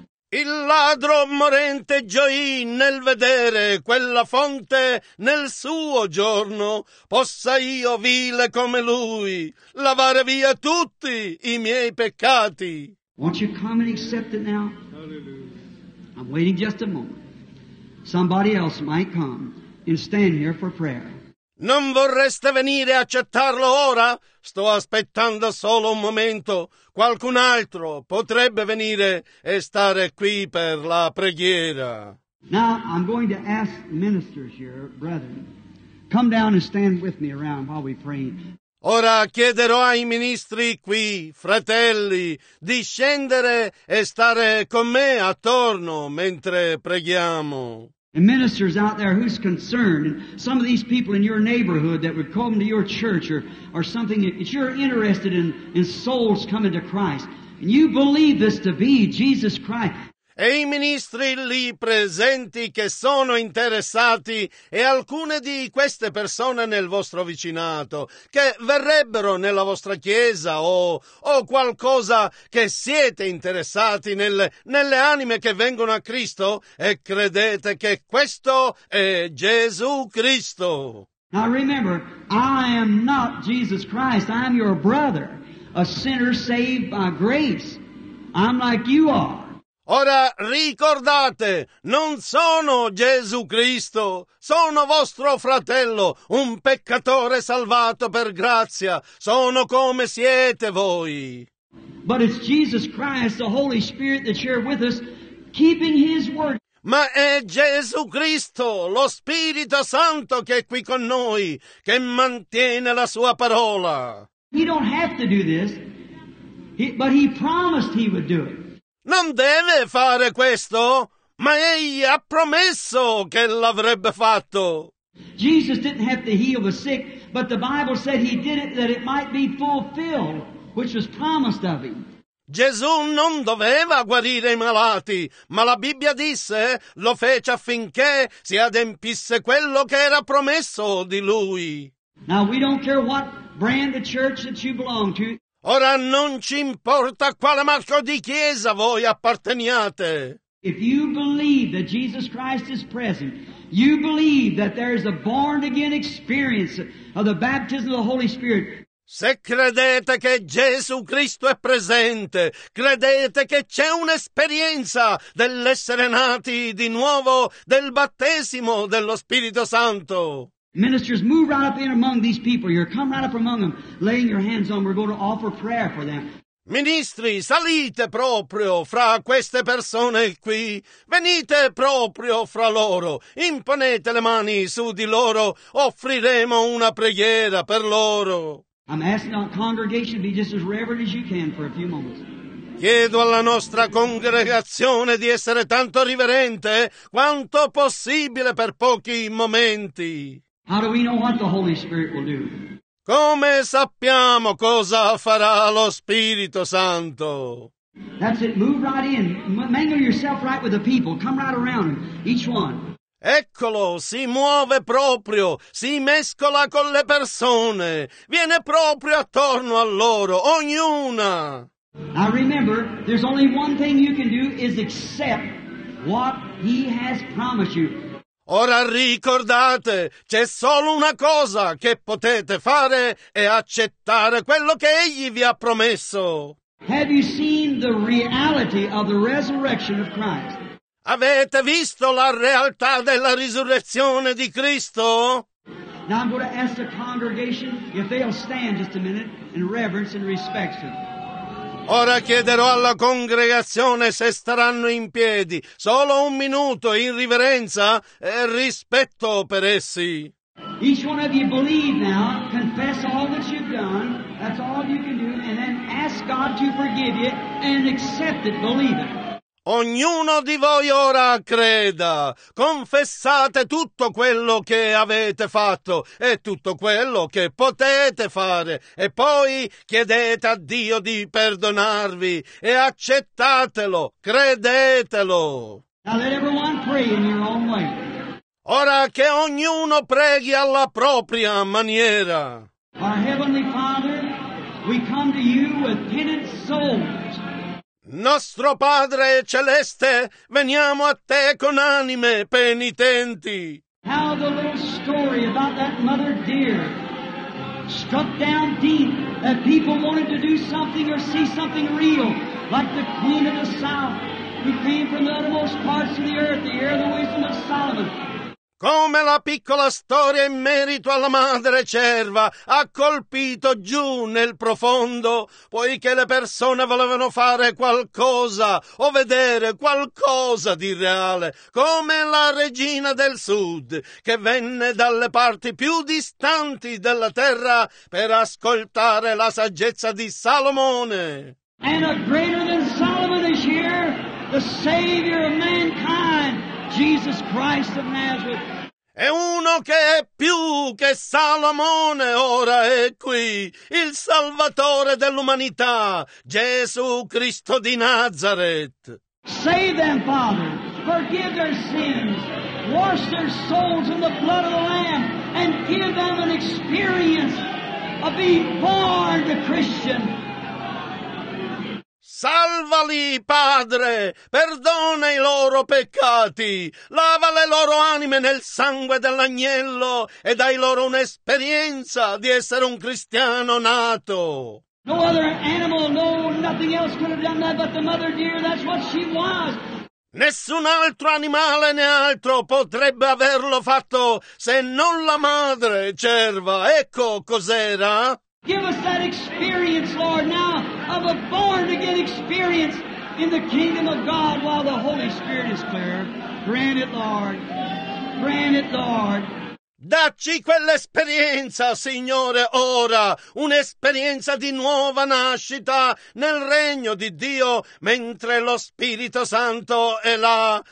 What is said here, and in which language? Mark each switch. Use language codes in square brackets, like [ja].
[it] Il ladro morente gioì nel vedere quella fonte nel suo giorno. Possa io, vile come lui, lavare via tutti i miei peccati. [en] Won't you come and accept it now? Hallelujah. I'm waiting just a moment. Somebody else might come and stand here for prayer. [it] Non vorreste venire a accettarlo ora? Sto aspettando solo un momento. Qualcun altro potrebbe venire e stare qui per la preghiera. [en] Now I'm going to ask ministers here, brethren, come down and stand with me around while we pray. [it] Ora chiederò ai ministri qui, fratelli, di scendere e stare con me attorno mentre preghiamo. [en] And ministers out there, who's concerned? And some of these people in your neighborhood that would come to your church or something, if you're interested in souls coming to Christ, and you believe this to be Jesus Christ. [it] E i ministri lì presenti che sono interessati e alcune di queste persone nel vostro vicinato che verrebbero nella vostra chiesa o qualcosa che siete interessati nelle anime che vengono a Cristo e credete che questo è Gesù Cristo. [en] Now remember, I am not Jesus Christ, I am your brother, a sinner saved by grace. I'm like you are. [it] Ora ricordate, non sono Gesù Cristo, sono vostro fratello, un peccatore salvato per grazia, sono come siete voi. [en] But it's Jesus Christ, the Holy Spirit that you're with us, keeping his word. [it] Ma è Gesù Cristo, lo Spirito Santo che è qui con noi, che mantiene la sua parola. [en] He don't have to do this, but he promised he would do it. [it] Non deve fare questo, ma egli ha promesso che l'avrebbe fatto. [en] Jesus didn't have to heal the sick, but the Bible said he did it that it might be fulfilled, which was promised of him. [it] Gesù non doveva guarire i malati, ma la Bibbia disse lo fece affinché si adempisse quello che era promesso di lui. [en] Now we don't care what brand of church that you belong to. [it] Ora non ci importa quale marco di chiesa voi apparteniate. [en] If you believe that Jesus Christ is present, you believe that there is a born again experience of the baptism of the Holy Spirit. [it] Se credete che Gesù Cristo è presente, credete che c'è un'esperienza dell'essere nati di nuovo, del battesimo dello Spirito Santo. [en] Ministers, move right up in among these people here. Come right up among them, laying your hands on. We're going to offer prayer for them. [it] Ministri, salite proprio fra queste persone qui. Venite proprio fra loro. Imponete le mani su di loro. Offriremo una preghiera per loro. [en] I'm asking our congregation to be just as reverent as you can for a few moments. [it] Chiedo alla nostra congregazione di essere tanto riverente quanto possibile per pochi momenti. [en] How do we know what the Holy Spirit will do? [it] Come sappiamo cosa farà lo Spirito Santo? [en] That's it. Move right in. Mangle yourself right with the people. Come right around them, each one. [it] Eccolo, si muove proprio, si mescola con le persone. Viene proprio attorno a loro, ognuna. [en] Now remember, there's only one thing you can do is accept what he has promised you. [it] Ora ricordate, c'è solo una cosa che potete fare e accettare quello che egli vi ha promesso. [en] Have you seen the reality of the resurrection of Christ? [it] Avete visto la realtà della risurrezione di Cristo? [en] Now I'm going to ask the congregation if they'll stand just a minute in reverence and respect to them. [it] Ora chiederò alla congregazione se staranno in piedi. Solo un minuto in riverenza e rispetto per essi. [en] Each one of you believe now, confess all that you've done, that's all you can do, and then ask God to forgive you and accept it, believe it. [it] Ognuno di voi ora creda, confessate tutto quello che avete fatto e tutto quello che potete fare e poi chiedete a Dio di perdonarvi e accettatelo, credetelo. [en] Now let everyone pray in your own way. [it] Ora che ognuno preghi alla propria maniera. [en] Our Heavenly Father, we come to you with penitent souls. [it] Nostro Padre celeste, veniamo a te con anime penitenti. [en] How the little story about that mother deer struck down deep, that people wanted to do something or see something real, like the Queen of the South, who came from the uttermost parts of the earth to hear the wisdom of Solomon. [it] Come la piccola storia in merito alla madre cerva ha colpito giù nel profondo, poiché le persone volevano fare qualcosa o vedere qualcosa di reale, come la regina del sud che venne dalle parti più distanti della terra per ascoltare la saggezza di Salomone. [en] And a greater than Solomon is here, the savior of mankind, Jesus Christ of Nazareth. [it] E uno che è più che Salomone ora è qui, il salvatore dell'umanità, Gesù Cristo di Nazareth. [en] Save them, Father, forgive their sins, wash their souls in the blood of the Lamb, and give them an experience of being born a Christian. [it] Salvali, Padre, perdona i loro peccati, lava le loro anime nel sangue dell'agnello e dai loro un'esperienza di essere un cristiano nato. [en] No other animal, no, nothing else could have done that but the mother deer, that's what she was. [it] Nessun altro animale né altro potrebbe averlo fatto se non la madre cerva, ecco cos'era. [en] Give us that experience, Lord, now, of a born-again experience in the kingdom of God while the Holy Spirit is clear. Grant it, Lord. Grant it, Lord. [it] Dacci quell'esperienza, Signore, ora, un'esperienza di nuova nascita nel regno di Dio, mentre lo Spirito Santo è là.